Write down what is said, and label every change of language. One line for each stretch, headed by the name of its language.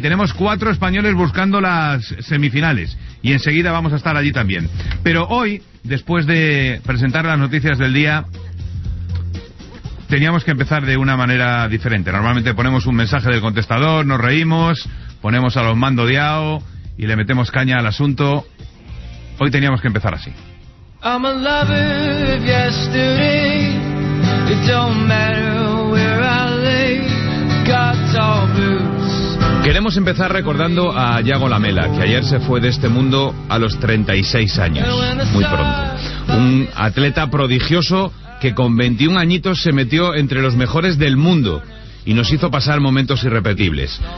Spanish: Tenemos 4 españoles buscando las semifinales y enseguida vamos a estar allí también. Pero hoy, después de presentar las noticias del día, teníamos que empezar de una manera diferente. Normalmente ponemos un mensaje del contestador, nos reímos, ponemos a los mando diao y le metemos caña al asunto. Hoy teníamos que empezar así.
English: I'm a lover of yesterday. It don't matter where I lay. Got tall boots.
Spanish: Queremos empezar recordando a Yago Lamela, que ayer se fue de este mundo a los 36 años, muy pronto. Un atleta prodigioso que con 21 añitos se metió entre los mejores del mundo y nos hizo pasar momentos irrepetibles.